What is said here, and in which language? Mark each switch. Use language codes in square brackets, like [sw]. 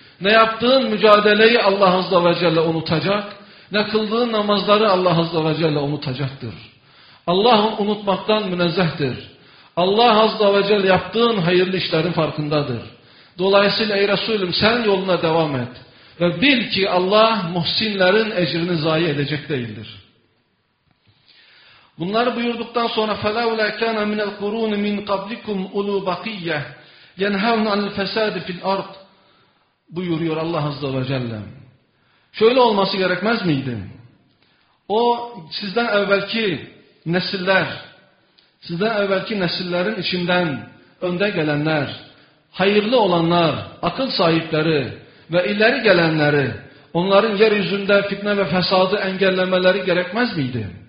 [tr] Ne yaptığın mücadeleyi Allah Azze ve Celle unutacak, ne kıldığın namazları Allah Azze ve Celle unutacaktır. Allah unutmaktan münezzehtir. Allah Azze ve Celle yaptığın hayırlı işlerin farkındadır. Dolayısıyla ey Resulüm sen yoluna devam et. Ve bil ki Allah muhsinlerin ecrini zayi edecek değildir. Bunları buyurduktan sonra [ar] فَلَوْلَا كَانَ مِنَ الْقُرُونِ مِنْ قَبْلِكُمْ اُلُوْ بَقِيَّةِ يَنْهَوْنَ عَنِ الْفَسَادِ فِي الْاَرْضِ [tr] buyuruyor Allah Azze ve Celle. Şöyle olması gerekmez miydi? O sizden evvelki nesiller, sizden evvelki nesillerin içinden önde gelenler, hayırlı olanlar, akıl sahipleri ve ileri gelenleri, onların yeryüzünde fitne ve fesadı engellemeleri gerekmez miydi?